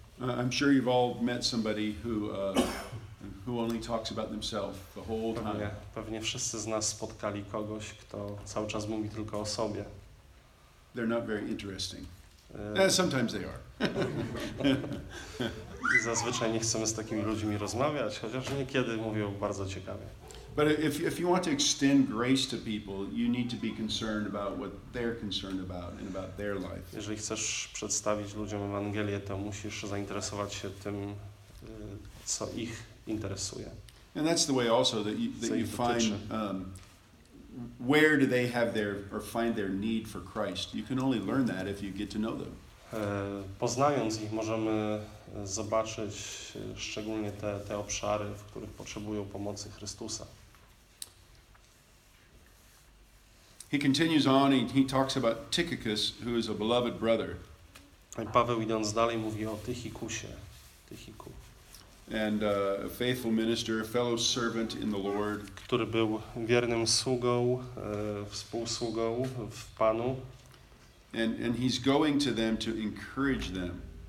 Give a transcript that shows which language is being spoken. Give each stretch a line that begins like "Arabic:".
English: I'm sure you've all met somebody who who only talks about themselves the whole time.
Polish: Pewnie wszyscy z nas spotkali kogoś, kto cały czas mówi tylko o sobie.
English: They're not very interesting. Sometimes they are.
Polish: Zazwyczaj nie chcemy z takimi ludźmi rozmawiać, chociaż niekiedy mówią bardzo ciekawie.
English: But if you want to extend grace to people, you need to be concerned about what they're concerned about and about their life.
Polish: Jeżeli chcesz przedstawić ludziom Ewangelię, to musisz zainteresować się tym, co ich interesuje.
English: And that's the way also that you find where do they have their or find their need for Christ. You can only learn that if you get to know them.
Polish: Poznając ich, możemy zobaczyć szczególnie te obszary, w których potrzebują pomocy Chrystusa.
English: He continues on and he talks about Tychicus, who is a beloved brother.
Polish: Paweł, idąc dalej, mówi o Tychikusie. Tychiku.
English: And a faithful minister, a fellow servant in the Lord,
Polish: który był wiernym sługą, współsługą w Panu.
English: And he's going to them to encourage them.